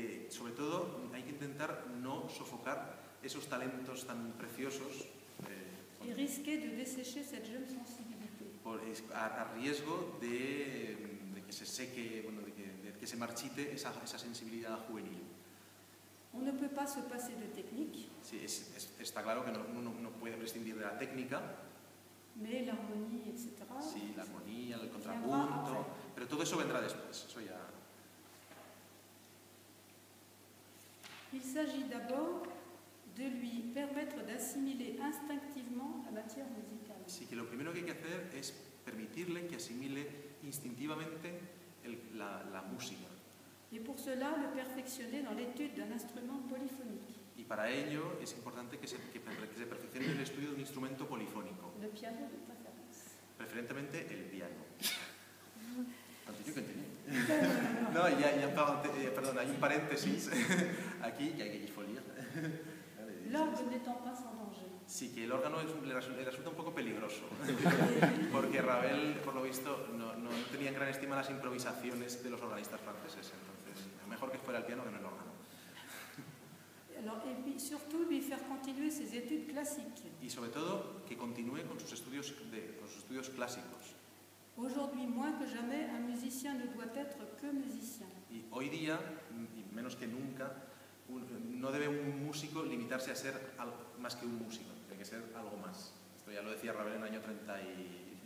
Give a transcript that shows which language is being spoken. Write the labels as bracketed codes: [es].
[es] Sobre todo hay que intentar no sofocar esos talentos tan preciosos. [fr] Y risquer de dessécher cette jeune sensibilité. [es] A riesgo de que se seque, bueno, de que se marchite esa sensibilidad juvenil. [fr] On ne peut pas se passer de technique. [es] Sí, está claro que uno no puede prescindir de la técnica. [fr] Mais l'harmonie, etc. [es] Sí, la armonía, el contrapunto, pero todo eso vendrá después. Eso ya. [fr] Il s'agit d'abord de lui permettre d'assimiler instinctivement la matière musicale. [es] Sí, que lo primero que hay que hacer es permitirle que asimile instintivamente la música. [fr] Et pour cela, le perfectionner dans l'étude d'un instrument polyphonique. [es] Y para ello es importante que se perfeccione en el estudio de un instrumento polifónico. [fr] Le piano de préférence. [es] Preferentemente el piano. Tanto yo que entendí. No, perdón, hay un paréntesis aquí y hay que folia. [fr] L'orgue n'étant pas sans danger. [es] Sí, que el órgano le resulta un poco peligroso. Porque Ravel, por lo visto, no tenía en gran estima las improvisaciones de los organistas franceses. Entonces, mejor que fuera el piano que no el órgano. [fr] Alors, et puis, surtout, lui faire continuer ses études classiques. [es] Y sobre todo, que continúe con sus estudios clásicos. [fr] Aujourd'hui, moins que jamais, un musicien ne doit être que musicien. [es] Y hoy día, y menos que nunca, no debe un músico limitarse a ser más que un músico, tiene que ser algo más. Esto ya lo decía Ravel en el año 30 y...